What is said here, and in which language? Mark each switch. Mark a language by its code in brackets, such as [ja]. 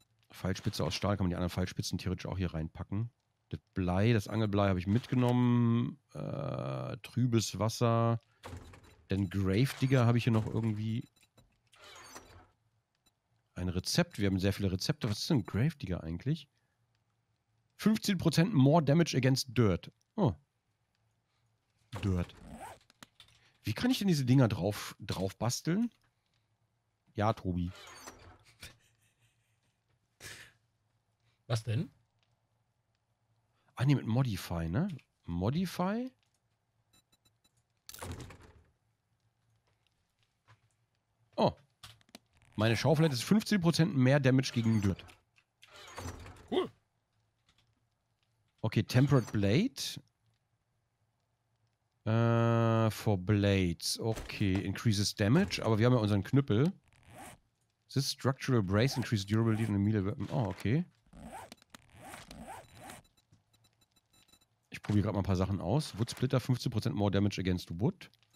[de] Pfeilspitze aus Stahl, kann man die anderen Pfeilspitzen theoretisch auch hier reinpacken. Das Blei, das Angelblei habe ich mitgenommen. Trübes Wasser. Den Gravedigger habe ich hier noch irgendwie. Ein Rezept, wir haben sehr viele Rezepte. Was ist denn Gravedigger eigentlich? [en] 15% more damage against dirt. Oh. Dirt. [de] Wie kann ich denn diese Dinger drauf basteln? Ja, Tobi. Was denn? Ah, ne, mit Modify, ne? Modify? Oh. Meine Schaufel hat jetzt 15% mehr Damage gegen Dirt. Cool. Okay, Tempered Blade. [en] For Blades. Okay, increases Damage. [de] Aber wir haben ja unseren Knüppel. [en] This structural brace increases durability in a melee weapon. Oh, okay. [de] Ich probiere gerade mal ein paar Sachen aus. [en] Wood Splitter, 15% more Damage against Wood.